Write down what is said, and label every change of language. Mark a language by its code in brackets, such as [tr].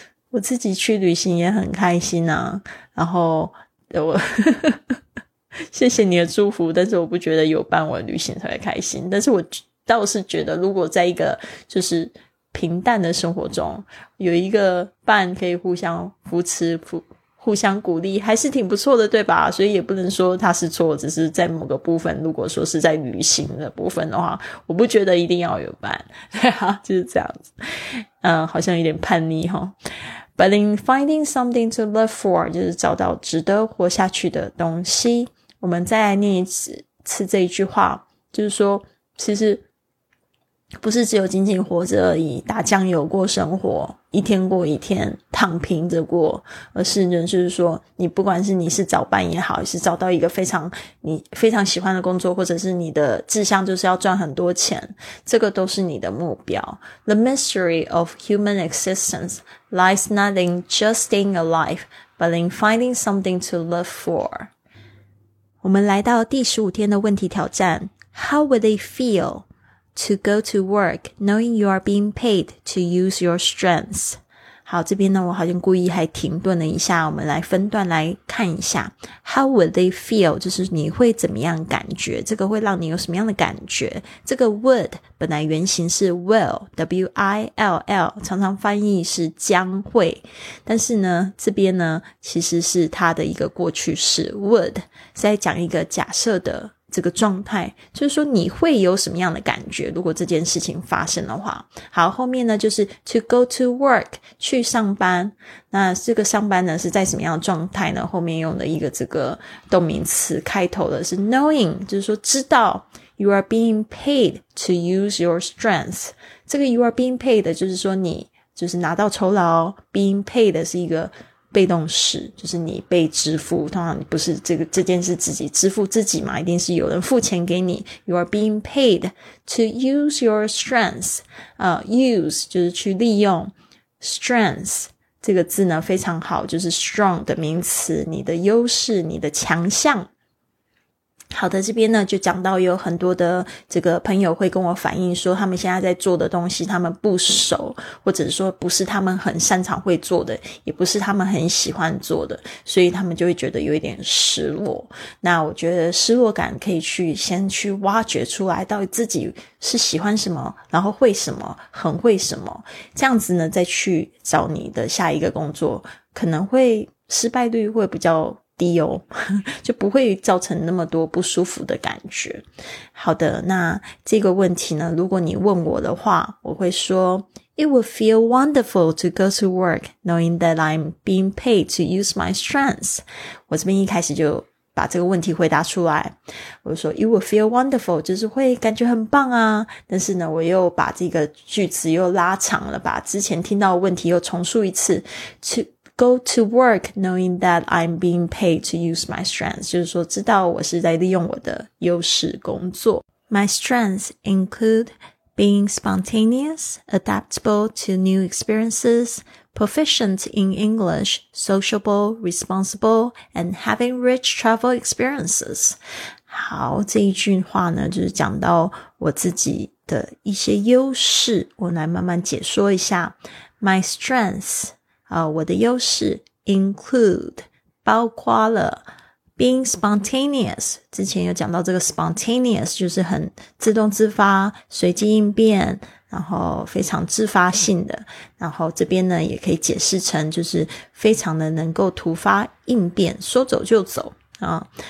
[zh] 我自己去旅行也很开心啊，然后我谢谢你的祝福，但是我不觉得有办完旅行才会开心，但是我倒是觉得如果在一个就是平淡的生活中有一个伴可以互相扶持互相鼓励还是挺不错的，对吧？所以也不能说它是错，只是在某个部分如果说是在旅行的部分的话，我不觉得一定要有伴，对啊，就是这样子。好像有点叛逆齁。 [en] But in finding something to live for, 就是找到值得活下去的东西。 [zh] 我们再来念一次这一句话，就是说其实不是只有仅仅活着而已，打酱油过生活，一天过一天，躺平着过，而是就是说你不管是你是找伴也好，是找到一个非常你非常喜欢的工作，或者是你的志向就是要赚很多钱，这个都是你的目标。 [en] The mystery of human existence lies not in just staying alive but in finding something to live for. [zh] 我们来到第15天的问题挑战。 [en] How would they feel? To go to work, knowing you are being paid to use your strengths. [zh] 好，这边呢，我好像故意还停顿了一下，我们来分段来看一下。 How would they feel? 就是你会怎么样感觉？这个会让你有什么样的感觉？这个 would, 本来原型是 will, W-I-L-L, 常常翻译是将会。但是呢，这边呢，其实是它的一个过去式 would, 是在讲一个假设的这个状态，就是说你会有什么样的感觉如果这件事情发生的话。好，后面呢就是 to go to work, 去上班。那这个上班呢是在什么样的状态呢？后面用的一个这个动名词开头的是 knowing, 就是说知道 you are being paid to use your strengths。这个 you are being paid 就是说你就是拿到酬劳， being paid 是一个被动式，就是你被支付，通常不是这个这件事自己支付自己嘛，一定是有人付钱给你。 [en] You are being paid to use your strengths. [zh] Use 就是去利用， strengths 这个字呢非常好，就是 strong 的名词，你的优势，你的强项。好的，这边呢就讲到有很多的这个朋友会跟我反映说，他们现在在做的东西他们不熟，或者说不是他们很擅长会做的，也不是他们很喜欢做的，所以他们就会觉得有一点失落。那我觉得失落感可以去先去挖掘出来，到底自己是喜欢什么，然后会什么，很会什么，这样子呢再去找你的下一个工作，可能会失败率会比较低哦，就不会造成那么多不舒服的感觉。 [en] 好的，那这个问题呢，如果你问我的话，我会说 It would feel wonderful to go to work knowing that I'm being paid to use my strengths. [zh] 我这边一开始就把这个问题回答出来，我说 It would feel wonderful 就是会感觉很棒啊，但是呢我又把这个句子又拉长了，把之前听到的问题又重述一次， toGo to work knowing that I'm being paid to use my strengths. 就是说知道我是在利用我的优势工作。 [en] My strengths include being spontaneous, adaptable to new experiences, proficient in English, sociable, responsible, and having rich travel experiences. [zh] 好，这一句话呢就是讲到我自己的一些优势，我来慢慢解说一下。 My strengths, 我的优势 include 包括了 being spontaneous, 之前有讲到这个 spontaneous 就是很自动自发，随机应变，然后非常自发性的，然后这边呢也可以解释成就是非常的能够突发应变，说走就走啊。